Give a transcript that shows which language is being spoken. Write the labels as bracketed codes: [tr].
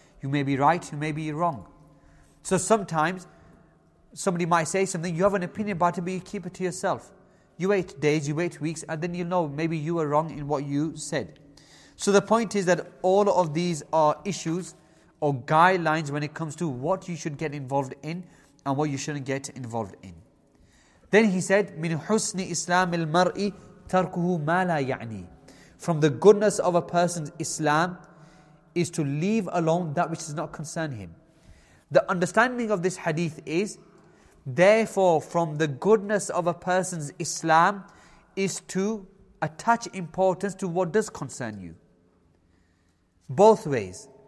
[en] You may be right, you may be wrong. So sometimes somebody might say something, you have an opinion about it, but you keep it to yourself. You wait days, you wait weeks, and then you know maybe you were wrong in what you said. So the point is that all of these are issues or guidelines when it comes to what you should get involved in and what you shouldn't get involved in. Then he said, [ar] مِنْ حُسْنِ إِسْلَامِ الْمَرْءِ تَرْكُهُ مَا لَا يَعْنِي. [en] From the goodness of a person's Islam is to leave alone that which does not concern him. The understanding of this hadith is, therefore, from the goodness of a person's Islam is to attach importance to what does concern you. Both ways.